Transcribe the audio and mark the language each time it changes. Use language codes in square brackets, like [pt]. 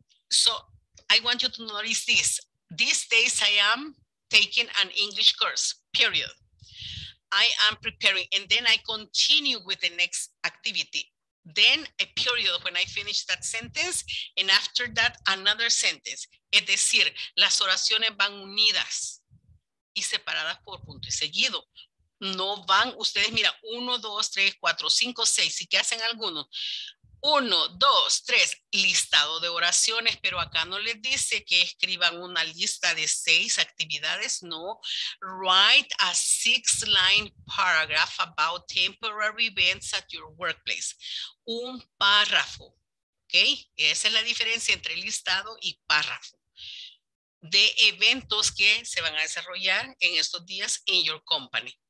[en] So I want you to notice this. These days I am taking an English course, period. I am preparing, and then I continue with the next activity. Then a period when I finish that sentence, and after that, another sentence. [es] Es decir, las oraciones van unidas y separadas por punto y seguido. No van, ustedes mira, uno, dos, tres, cuatro, cinco, seis. ¿Y qué hacen algunos? Uno, dos, tres, listado de oraciones, pero acá no les dice que escriban una lista de seis actividades, no. [en] Write a six-line paragraph about temporary events at your workplace. [es] Un párrafo, ¿ok? Esa es la diferencia entre listado y párrafo de eventos que se van a desarrollar en estos días [en] in your company.